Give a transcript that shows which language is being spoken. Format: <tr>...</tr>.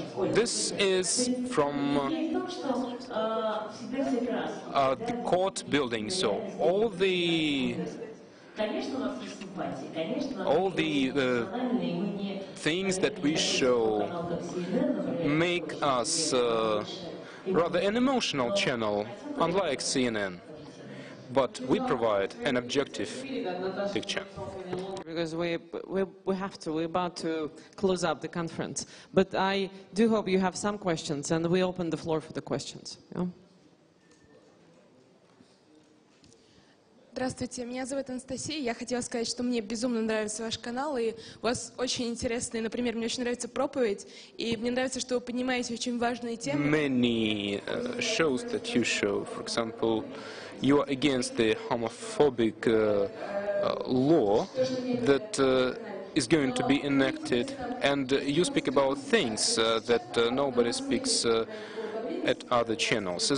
<en>This is from the court building, so all the things that we show make us rather an emotional channel, unlike CNN. but we provide an objective picture. Because we have to, we're about to close up the conference. But I do hope you have some questions, and we open the floor for the questions. Yeah?</en> <ru>Здравствуйте, меня зовут Анастасия. Я хотела сказать, что мне безумно нравится ваш канал, и у вас очень интересные, например, мне очень нравится проповедь, и мне нравится, что вы поднимаете очень важные темы.</ru> <en>Many shows that you show, for example, you are against the homophobic law that is going to be enacted, and you speak about things that nobody speaks at other channels.</en>